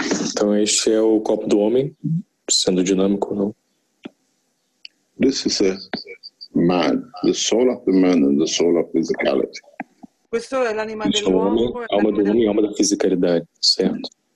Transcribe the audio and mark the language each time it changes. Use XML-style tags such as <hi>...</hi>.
<pt>Então este é o copo do homem, sendo dinâmico ou não.</pt> <en>This is a man, the soul of the man and the soul of physicality.</en> <it>Questo è l'anima dell'uomo,</it> <pt>alma do homem e alma da fisicalidade, certo?</pt>